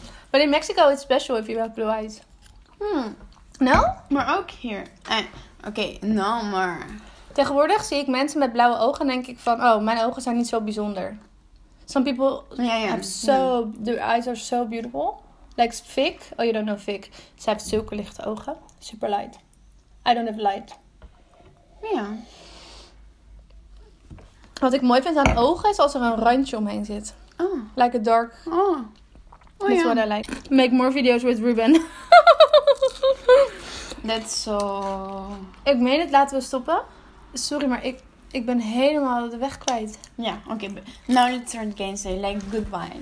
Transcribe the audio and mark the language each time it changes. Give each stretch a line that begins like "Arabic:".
English: But in Mexico it's special if you have blue eyes. No?
Dutch: Maar ook hier. Maar... Tegenwoordig zie ik mensen met blauwe ogen en denk ik van... Oh, mijn ogen zijn niet zo bijzonder.
English: Some people have so... Their eyes are so beautiful. Like Vic. Oh, you don't know Vic.
Dutch: Ze heeft zulke lichte ogen.
English: Super light. I don't have light.
Dutch: Ja. Wat ik mooi vind aan ogen is als er een randje omheen zit. Oh.
English: Like a dark. Oh. That's what I like. Make more videos with Ruben. That's so...
Dutch: Ik meen het, laten we stoppen. Sorry, maar ik ben helemaal de weg kwijt. Ja, oké.
English: Now let's turn the game say, like, goodbye.